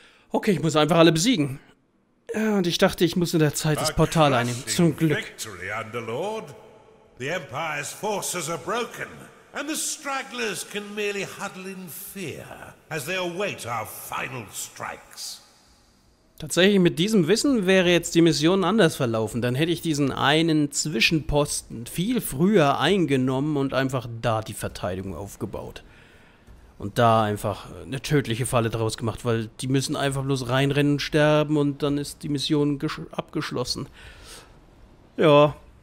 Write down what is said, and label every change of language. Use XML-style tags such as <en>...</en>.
<de>Okay, ich muss einfach alle besiegen. Ja, und ich dachte, ich muss in der Zeit das Portal einnehmen. Zum Glück.</de> <en>Victory, Underlord. The Empire's forces are broken, and the stragglers can merely huddle in fear as they await our final strikes.</en> <de>Tatsächlich, mit diesem Wissen wäre jetzt die Mission anders verlaufen. Dann hätte ich diesen einen Zwischenposten viel früher eingenommen und einfach da die Verteidigung aufgebaut. Und da einfach eine tödliche Falle draus gemacht, weil die müssen einfach bloß reinrennen und sterben und dann ist die Mission abgeschlossen. Ja.</de>